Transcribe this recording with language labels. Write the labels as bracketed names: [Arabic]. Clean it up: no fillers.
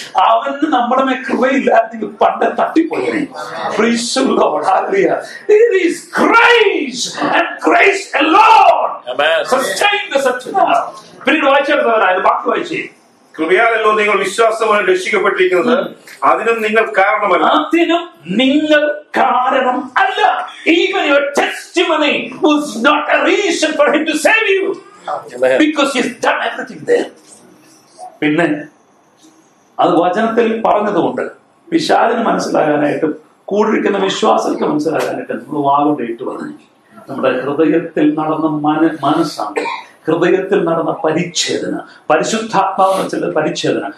[Malayalam] അവന് നമ്മുടെ മേൽ കൃപയില്ലാത്തെങ്കിൽ പണ്ട് തട്ടിപ്പോയി. കൃപയാലല്ലോ നിങ്ങൾ വിശ്വാസമായി രക്ഷിക്കപ്പെട്ടിരിക്കുന്നത്. അതിനും നിങ്ങൾ കാരണമല്ല. അതിനും നിങ്ങൾ കാരണം അല്ല. [English] Even your testimony was not a reason for him to save you. Because he's done everything there. [Malayalam] പിന്നെ അത് വചനത്തിൽ പറഞ്ഞതുകൊണ്ട് വിശാലിന് മനസ്സിലാകാനായിട്ട് കൂടിയിരിക്കുന്ന വിശ്വാസികൾക്ക് മനസ്സിലാകാനായിട്ട് നമ്മൾ വാഗോട്ട് പറഞ്ഞു. നമ്മുടെ ഹൃദയത്തിൽ നടന്ന മനസ്സാണ് ഹൃദയത്തിൽ നടന്ന പരിച്ഛേദന, പരിശുദ്ധാത്മാവെന്ന് വെച്ചാൽ പരിച്ഛേദന.